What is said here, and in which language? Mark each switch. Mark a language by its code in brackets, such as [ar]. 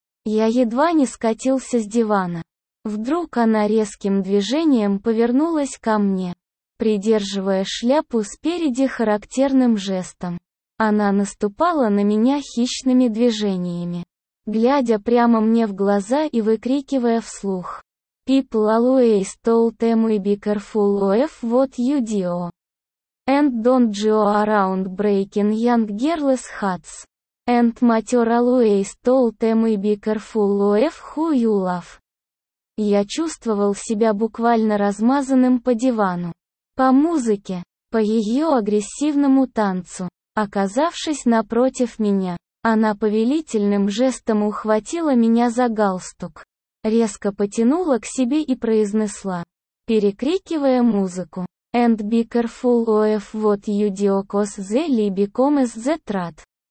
[ru] Я едва не скатился с дивана. Вдруг она резким движением повернулась ко мне, придерживая шляпу спереди характерным жестом. Она наступала на меня хищными движениями, глядя прямо мне в глаза и выкрикивая вслух: [en] «People always told them we be careful of what you do. And don't go around breaking young girls' hearts. And mother always told them we be careful of who you love». [ru] Я чувствовал себя буквально размазанным по дивану, по музыке, по ее агрессивному танцу. Оказавшись напротив меня, она повелительным жестом ухватила меня за галстук, резко потянула к себе и произнесла, перекрикивая музыку: [en] «And be careful of what you do, 'cause the lie becomes the truth».